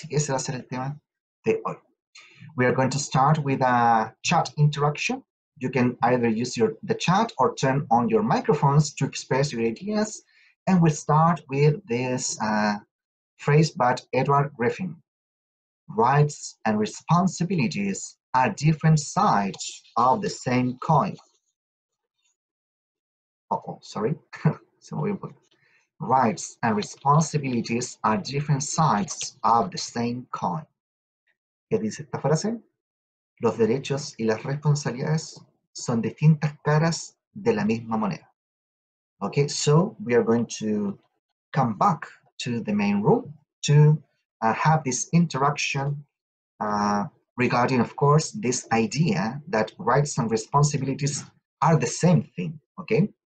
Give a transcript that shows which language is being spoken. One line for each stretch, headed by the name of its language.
Spanish: Así que ese va a ser el tema de hoy.
English: We are going to start with a chat interaction. You can either use the chat or turn on your microphones to express your ideas, and we'll start with this phrase by Edward Griffin. Rights and responsibilities are different sides of the same coin. Oh, sorry. Rights and responsibilities are different sides of the same coin.
Spanish: que dice esta frase: los derechos y las responsabilidades son distintas caras de la misma moneda.
English: Okay, so we are going to come back to the main room to have this interaction regarding, of course, this idea that rights and responsibilities are the same thing. Okay.